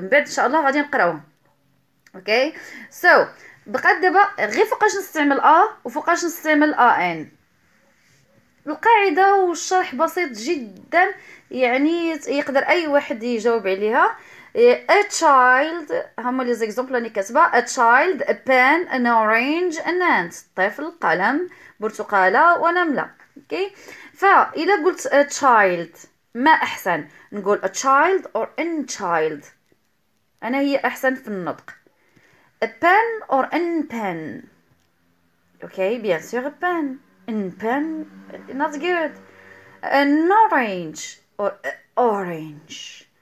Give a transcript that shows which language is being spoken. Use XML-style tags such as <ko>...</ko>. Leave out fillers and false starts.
<ar>من بعد ان شاء الله غادي نقراوهم. اوكي سو بقات دابا غير فوقاش نستعمل ا وفوقاش نستعمل ان. القاعده والشرح بسيط جدا، يعني يقدر اي واحد يجاوب عليها.</ar> <en>a child</en> <ar>هما لي زيكزامبل اللي كاتبه.</ar> <en>a child a pen an orange an ant،</en> <ar>طفل قلم برتقاله ونمله. اوكي فاذا قلت</ar> <en>a child</en> <ar>ما احسن نقول</ar> <en>a child or an child،</en> <ar>انا هي احسن في النطق.</ar> <en>A pen or an pen. Okay,</en> <fr>bien sûr,</fr> <en>a pen. An pen, not good. An orange or orange.</en>